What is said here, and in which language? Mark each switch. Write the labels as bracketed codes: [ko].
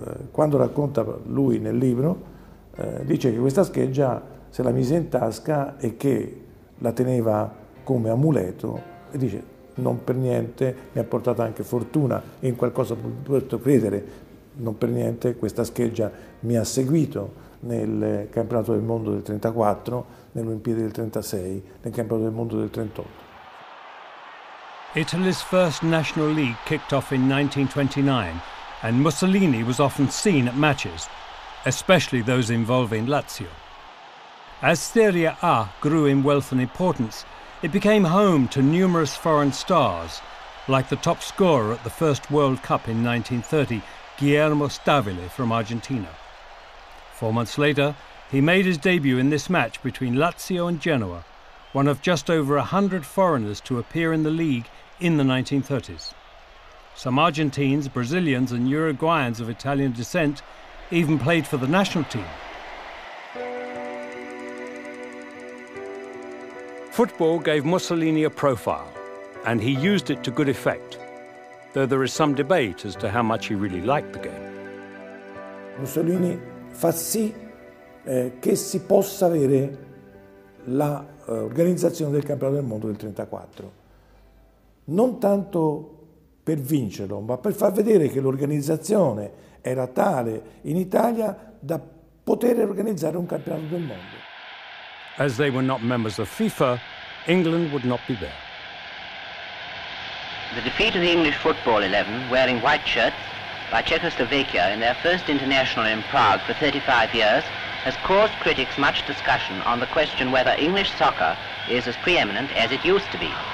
[it] Quando racconta lui nel libro, dice che questa scheggia se la mise in tasca e che la teneva come amuleto e dice... Non per niente mi ha portato anche fortuna in qualcosa potuto credere. Non per niente questa scheggia mi ha seguito nel campionato del mondo del 34, nell'Olimpiade del 36, nel campionato del mondo del 38. [en] Italy's first national league kicked off in 1929, and Mussolini was often seen at matches, especially those involving Lazio. As Serie A grew in wealth and importance, it became home to numerous foreign stars, like the top scorer at the first World Cup in 1930, Guillermo Stabile from Argentina. 4 months later, he made his debut in this match between Lazio and Genoa, one of just over 100 foreigners to appear in the league in the 1930s. Some Argentines, Brazilians and Uruguayans of Italian descent even played for the national team. Football gave Mussolini a profile, and he used it to good effect, though there is some debate as to how much he really liked the game. [it] Mussolini fa sì che si possa avere la organizzazione del campionato del mondo del 34. Non tanto per vincerlo, ma per far vedere che l'organizzazione era tale in Italia da poter organizzare un campionato del mondo. [en] As they were not members of FIFA, England would not be there. The defeat of the English football 11, wearing white shirts, by Czechoslovakia in their first international in Prague for 35 years, has caused critics much discussion on the question whether English soccer is as preeminent as it used to be.